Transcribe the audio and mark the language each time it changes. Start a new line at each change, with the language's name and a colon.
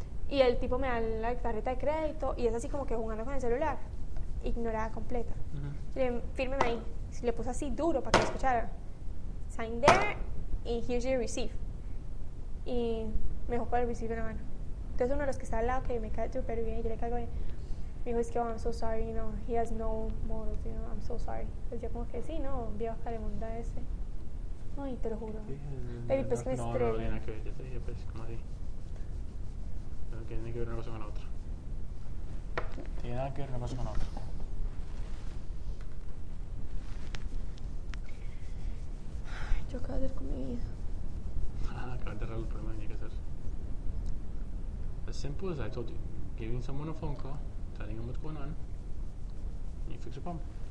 Spanish: Y el tipo me da la tarjeta de crédito y es así como que jugando con el celular. Ignorada completa. Uh-huh. Le fírmeme ahí. Si le puse así duro para que lo escuchara.
English: Sign there and here's your receipt.
Spanish: Y me dejó para el receipt en la mano. Entonces uno de los que está al lado que me cae súper bien y yo le caigo bien. Me dijo, es que,
English: oh, I'm so sorry, you know, he has no morals, you know, I'm so sorry.
Spanish: Entonces yo como que, sí, no, vi a bajar el mundo ese. Ay, te lo juro. Pero pues que me estrella. No, no, no, que yo te dije, pues, como así. Pero que tiene que ver una cosa con la otra. Tiene nada que ver una cosa con la otra. Yo acabo de hacer con mi vida. Acabo de arreglar el problema que tenía que hacer.
English: As simple as I told you, giving someone a phone call, telling them what's going on, and you fix your problem.